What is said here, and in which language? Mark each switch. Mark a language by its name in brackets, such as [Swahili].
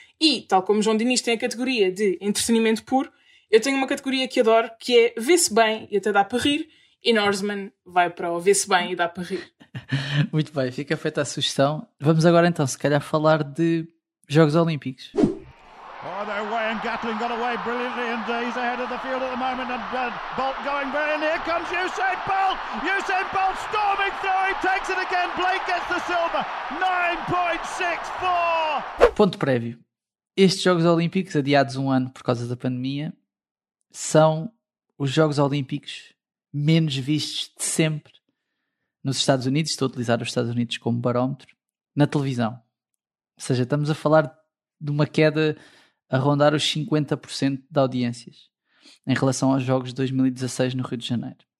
[Portuguese] E, tal como João Diniz tem a categoria de entretenimento puro, eu tenho uma categoria que adoro, que é vê-se bem e até dá para rir. E Norseman vai para o vê-se bem e dá para rir. Muito bem, fica feita a sugestão. Vamos agora então, se calhar, falar de Jogos Olímpicos. [English] Oh, they're away and Gatlin got away brilliantly and he's ahead of the field at the moment and Bolt going very and here comes Usain Bolt! Usain Bolt storming through, he takes it again, Blake gets the silver, 9.64! [Portuguese] Ponto prévio. Estes Jogos Olímpicos, adiados um ano por causa da pandemia, são os Jogos Olímpicos menos vistos de sempre nos Estados Unidos, estou a utilizar os Estados Unidos como barómetro, na televisão. Ou seja, estamos a falar de uma queda a rondar os 50% de audiências em relação aos Jogos de 2016 no Rio de Janeiro.